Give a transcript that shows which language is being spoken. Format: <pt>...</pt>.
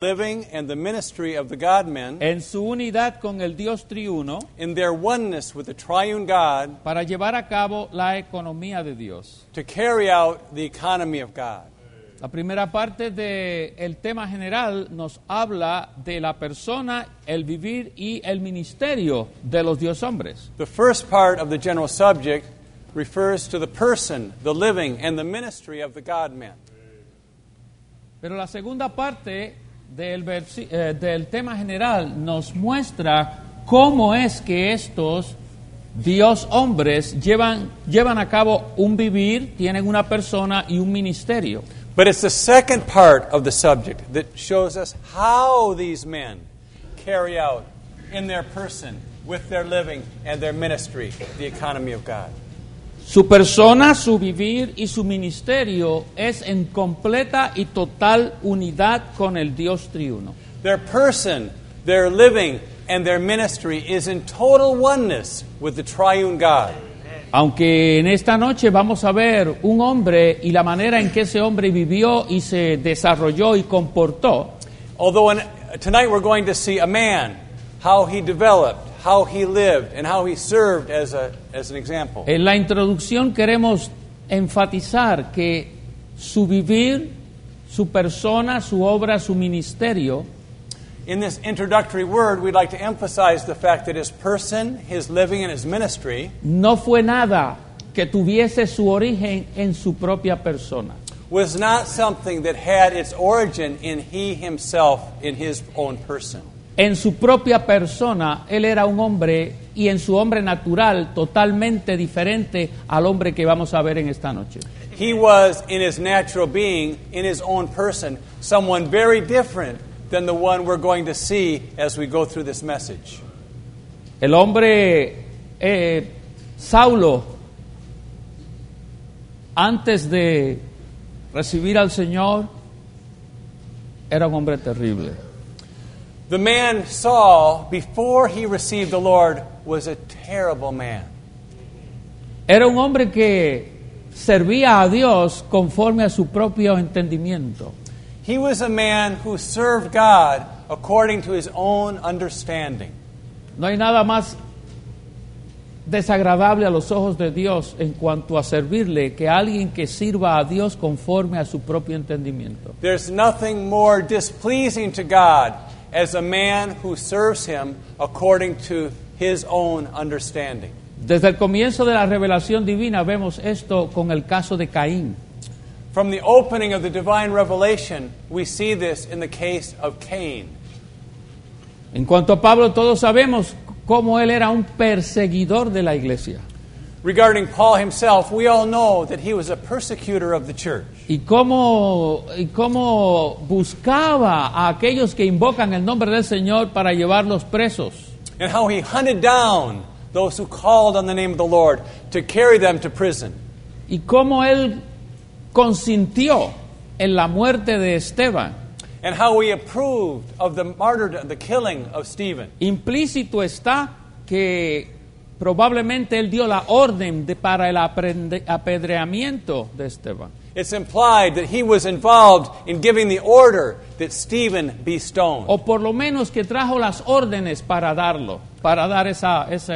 <en>living and the ministry of the God-men,</en> <es>en su unidad con el Dios triuno,</es> <en>in their oneness with the triune God,</en> <es>para llevar a cabo la economía de Dios,</es> <en>to carry out the economy of God.</en> <es>La primera parte de el tema general nos habla de la persona, el vivir y el ministerio de los Dios hombres.</es> <en>The first part of the general subject refers to the person, the living, and the ministry of the God-men.</en> <es>Pero la segunda parte del tema general nos muestra cómo es que estos Dios hombres llevan a cabo un vivir, tienen una persona y un ministerio.</es> <en>But it's the second part of the subject that shows us how these men carry out in their person, with their living and their ministry, the economy of God.</en> <es>Su persona, su vivir y su ministerio es en completa y total unidad con el Dios triuno.</es> <en>Their person, their living, and their ministry is in total oneness with the triune God.</en> <es>Aunque en esta noche vamos a ver un hombre y la manera en que ese hombre vivió y se desarrolló y comportó.</es> <en>Although tonight we're going to see a man, how he developed, how he lived, and how he served as an example.</en> <es>En la introducción queremos enfatizar que su vivir, su persona, su obra, su ministerio.</es> <en>In this introductory word, we'd like to emphasize the fact that his person, his living, and his ministry.</en> <es>No fue nada que tuviese su origen en su propia persona.</es> <en>Was not something that had its origin in he himself, in his own person.</en> <es>En su propia persona, él era un hombre, y en su hombre natural, totalmente diferente al hombre que vamos a ver en esta noche.</es> <en>He was, in his natural being, in his own person, someone very different than the one we're going to see as we go through this message.</en> <es>El hombre, Saulo, antes de recibir al Señor, era un hombre terrible.</es> <en>The man Saul, before he received the Lord, was a terrible man.</en> <es>Era un hombre que servía a Dios conforme a su propio entendimiento.</es> <en>He was a man who served God according to his own understanding.</en> <es>No hay nada más desagradable a los ojos de Dios en cuanto a servirle que alguien que sirva a Dios conforme a su propio entendimiento.</es> <en>There's nothing more displeasing to God as a man who serves him according to his own understanding.</en> <es>Desde el comienzo de la revelación divina vemos esto con el caso de Caín.</es> <en>From the opening of the divine revelation, we see this in the case of Cain.</en> <es>En cuanto a Pablo, todos sabemos cómo él era un perseguidor de la iglesia.</es> <en>Regarding Paul himself, we all know that he was a persecutor of the church.</en> <es>Y cómo buscaba a aquellos que invocan el nombre del Señor para llevarlos presos.</es> <en>And how he hunted down those who called on the name of the Lord to carry them to prison.</en> <es>Y cómo él consintió en la muerte de Esteban.</es> <en>And how he approved of the martyrdom, the killing of Stephen.</en> <es>Implícito está que probablemente él dio la orden para el apedreamiento de Esteban.</es> <en>It's implied that he was involved in giving the order that Stephen be stoned.</en> <es>O por lo menos que trajo las órdenes para darlo, para dar esa.</es>